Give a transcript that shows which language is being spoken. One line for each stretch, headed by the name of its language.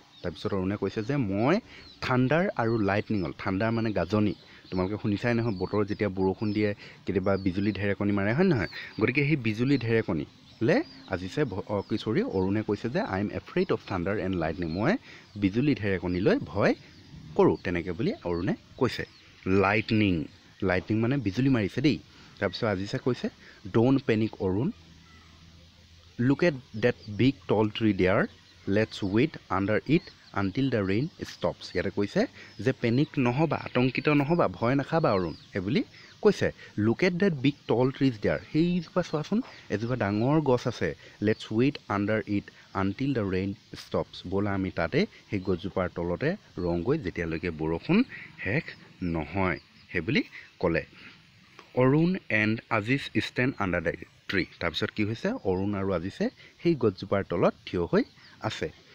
Assamese: তাৰপিছত অৰুণে কৈছে যে মই থাণ্ডাৰ আৰু লাইটনিঙত, থাণ্ডাৰ মানে গাজনি, তোমালোকে শুনিছাই নহয় বতৰ যেতিয়া বৰষুণ দিয়ে কেতিয়াবা বিজুলী ঢেৰেকণি মাৰে, হয় নহয়, গতিকে সেই বিজুলী ঢেৰেকণিলে আজিছে কিশোৰী অৰুণে কৈছে যে
English: I am afraid of thunder and lightning,
Assamese: মই বিজুলী ঢেৰেকণিলৈ ভয় কৰোঁ, তেনেকৈ বুলি অৰুণে কৈছে।
English: lightning, lightning
Assamese: মানে বিজুলী মাৰিছে দেই। তাৰপিছত আজিছে কৈছে
English: Don't panic Arun, look at that big tall tree there, let's wait under it until the rain stops.
Assamese: ইয়াতে কৈছে যে পেনিক নহ'বা, আতংকিত নহ'বা, ভয় নাখাবা অৰুণ, সেইবুলি কৈছে।
English: look at that big tall trees there,
Assamese: সেইজোপা চোৱাচোন, এজোপা ডাঙৰ গছ আছে,
English: let's wait under it until the rain stops,
Assamese: ব'লা আমি তাতে সেই গছজোপাৰ তলতে ৰওঁগৈ যেতিয়ালৈকে বৰষুণ শেষ নহয়, সেইবুলি ক'লে।
English: Arun and Aziz stand under the tree.
Assamese: তাৰপিছত কি হৈছে, অৰুণ আৰু আজিছে সেই গছজোপাৰ তলত থিয় হৈ আছে।